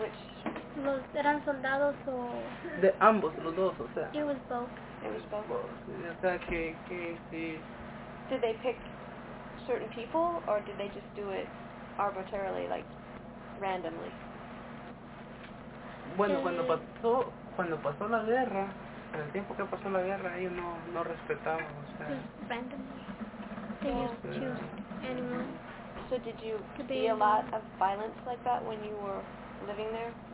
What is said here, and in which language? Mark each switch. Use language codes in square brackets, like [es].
[en] Which [es] los eran soldados o de ambos los dos, o sea. [en] It was both. Did they pick certain people or did they just do it arbitrarily, like randomly? [es] Bueno, cuando pasó la guerra, en el tiempo que pasó la guerra, ellos no respetaban, o sea. [en] Just randomly. So did you see a lot of violence like that when you were living there?